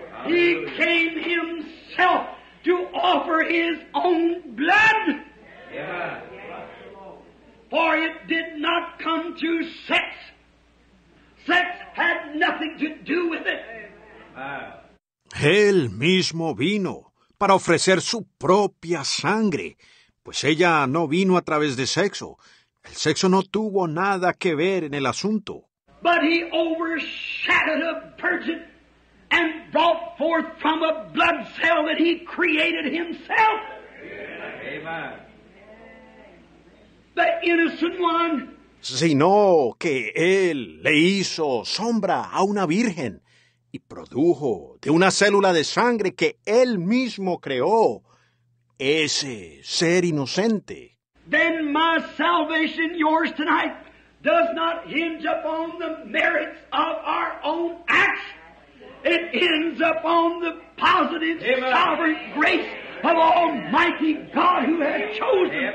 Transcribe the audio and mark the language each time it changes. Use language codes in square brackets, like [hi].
[en] He came himself to offer his own blood. For it did not come to sex. Sex had nothing to do with it. [es] Él mismo vino para ofrecer su propia sangre, pues ella no vino a través de sexo. El sexo no tuvo nada que ver en el asunto. [en] But he overshadowed a virgin and brought forth from a blood cell that he created himself. Amen. The innocent one. [es] Sino que él le hizo sombra a una virgen y produjo de una célula de sangre que él mismo creó ese ser inocente. [en] Then my salvation, yours tonight, does not hinge upon the merits of our own acts. It ends upon the positive, Amen. Sovereign grace of Almighty God who has chosen